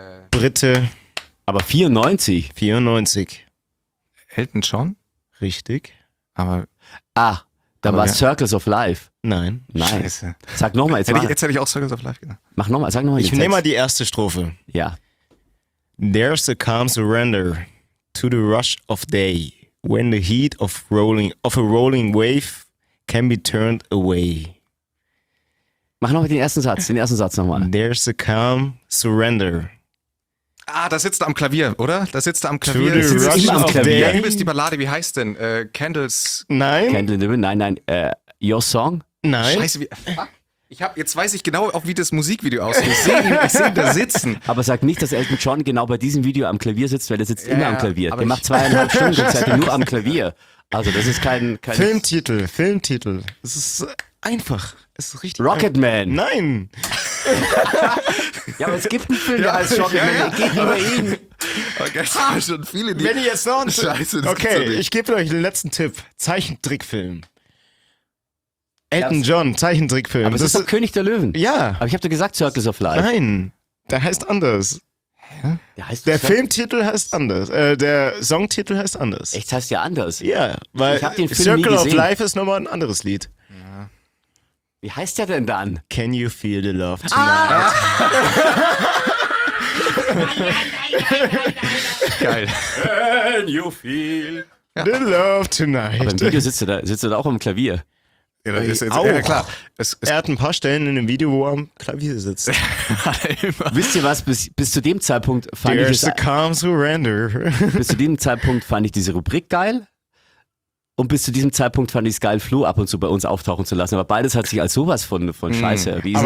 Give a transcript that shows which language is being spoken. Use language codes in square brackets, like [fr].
[de] Brite. Aber 94. 94. Elton John? Richtig. Aber. Ah, da war ja. Circles of Life. Nein. Scheiße. Sag nochmal, jetzt hätte ich auch Circles of Life gedacht. Mach nochmal, sag nochmal. Ich nehme mal die erste Strophe. Ja. [en] There's a calm surrender. To the rush of day, when the heat of a rolling wave can be turned away. [de] Mach nochmal den ersten Satz nochmal. [en] There's a calm surrender. [de] Ah, da sitzt er am Klavier, oder? Da sitzt er am Klavier. [en] To the rush of day. [de] Ja, wie ist die Ballade? Wie heißt denn? Candles? Nein. Candle in the Wind? Nein. Your Song? Nein. Scheiße, jetzt weiß ich genau auch, wie das Musikvideo aussieht. Ich seh ihn da sitzen. Aber sag nicht, dass Elton John genau bei diesem Video am Klavier sitzt, weil er sitzt immer am Klavier. Der macht zweieinhalb Stunden Zeit nur am Klavier. Also das ist kein Filmtitel. Es ist einfach. Es ist richtig. Rocketman. Nein. Ja, aber es gibt einen Film, der heißt Rocketman. Ja. Geht über ihn. Okay, es gibt schon viele, die... Wenn ihr jetzt noch einen Scheiße, okay, ich gebe euch den letzten Tipp. Zeichentrickfilm. Elton John, Zeichentrickfilm. Aber das ist doch König der Löwen. Ja. Aber ich hab doch gesagt Circus of Life. Nein, der heißt anders. Hä? Filmtitel heißt anders. Der Songtitel heißt anders. Echt, heißt ja anders. Ja, weil ich hab den Film Circle nie gesehen. Of Life ist nochmal ein anderes Lied. Ja. Wie heißt der denn dann? [en] Can you feel the love tonight? [de] Geil. [en] Can you feel the love tonight? [de] Aber im Video sitzt du da auch am Klavier. Er hat ein paar Stellen in dem Video, wo er am Klavier sitzt. Wisst ihr was, bis zu dem Zeitpunkt fand [en] There's [de] ich es... [en] The calm surrender. [de] Bis zu dem Zeitpunkt fand ich diese Rubrik geil und bis zu diesem Zeitpunkt fand ich es geil, Flo ab und zu bei uns auftauchen zu lassen. Aber beides hat sich als sowas von Scheiße erwiesen.